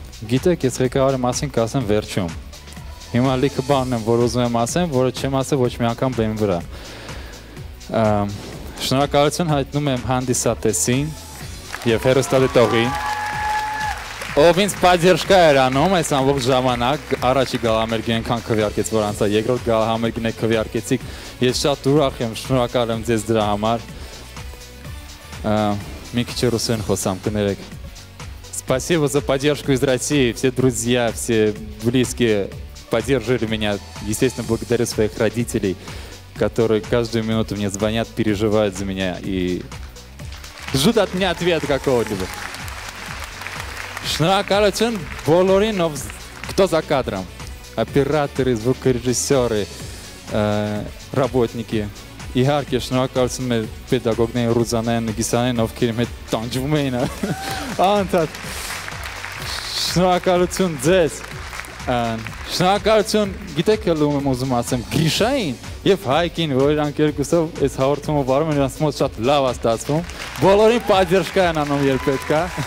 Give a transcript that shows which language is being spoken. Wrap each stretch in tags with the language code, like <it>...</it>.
<hy>Գիտեք, ես ղեկավարի մասին կասեմ վերջում։ Հիմա լիքը բանն եմ, որ ուզում եմ ասեմ, որը չեմ ասել ոչ մի անգամ բեմի վրա։ Շնորհակալություն հայտնում եմ հանդիսատեսին և հեռուստատեսի տողին, ով ինձ պատերժկա էր անում այս ամբողջ ժամանակ, առաջի գալահամերգի ենքան քվեարկեց, որ անցա, երկրորդ գալահամերգին է քվեարկեցիք, ես շատ ուրախ եմ, շնորհակալ եմ ձեզ դրա համար, մի քիչ ռուսերեն խոսամ, կներեք.</hy> <ru>Спасибо за поддержку из России, все друзья, все близкие поддерживали меня, естественно, благодарю своих родителей, которые каждую минуту мне звонят, переживают за меня и ждут от меня ответа какого-либо.</ru> <hy>Шнуракалочен Болоринов,</hy> <ru>кто за кадром? Операторы, звукорежиссеры, работники.</ru> <hy>Իհարկե շնորհակալություն մեր պետագոգներին Ռուզանեն, Գիսանեն, ովքեր մեզ տանջվում էին անընդհատ. Շնորհակալություն ձեզ, շնորհակալություն, գիտեք ելում եմ ուզում ասեմ, Գրիշային և Հայկին, որ իրանք երկուսով այս հաղորդումը վարում են, իրանց մոտ շատ լավ աստացվում, բոլորին պատերժկա են անում, երբ պետքա։</hy>